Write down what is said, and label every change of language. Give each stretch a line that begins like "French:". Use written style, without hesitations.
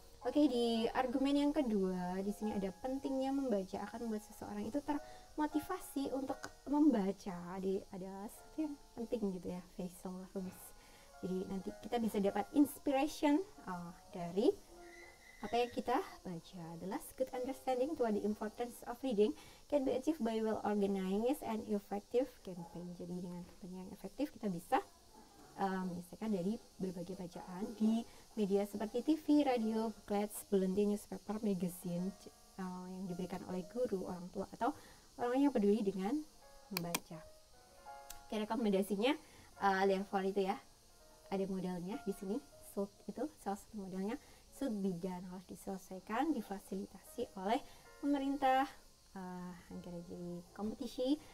Indonesian: Oke, di argumen yang kedua di sini ada pentingnya membaca akan membuat seseorang itu termotivasi untuk membaca. Jadi ada sesuatu yang penting gitu ya, Faisal Rumus. Jadi nanti kita bisa dapat inspiration dari apa yang kita baca.
English: The last good understanding toward the importance of reading can be achieved by well organized and effective campaign.
Indonesian: Jadi dengan kampanye yang efektif kita bisa misalkan dari berbagai bacaan di media seperti TV, radio, booklets, bulletin, newspaper, magazine yang diberikan oleh guru, orang tua, atau orang yang peduli dengan membaca. Oke, rekomendasinya level itu ya, ada modalnya di sini, itu salah satu modalnya
English: should be done,
Indonesian: harus diselesaikan, difasilitasi oleh pemerintah agar jadi kompetisi.